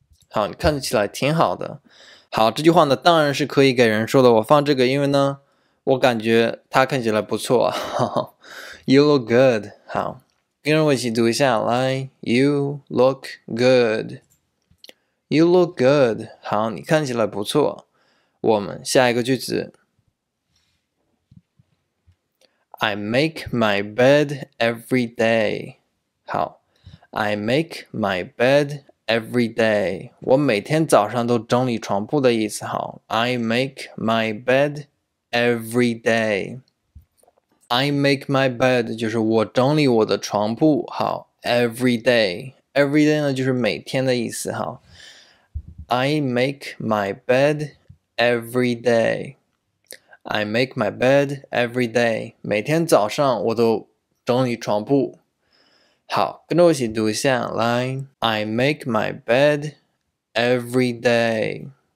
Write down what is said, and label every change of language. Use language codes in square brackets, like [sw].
[zh] 好，你看起来挺好的。好，这句话呢，当然是可以给人说的。我放这个，因为呢，我感觉他看起来不错。 [en] You look good. 好。 [zh] 跟我一起读一下，来 ， [en] You look good. You look good. [zh] 好，你看起来不错。我们下一个句子 [en] ，I make my bed every day. 好 ，I make my bed every day. [zh] 我每天早上都整理床铺的意思。好 ， [en] I make my bed every day. I make my bed [zh] 就是我整理我的床铺。好 ， [en] every day， every day [zh] 呢就是每天的意思。 [en] 好 ，I make my bed every day。 I make my bed every day。 [zh] 每天早上我都整理床铺。好，跟着我一起读一下，来 ， [en] I make my bed every day。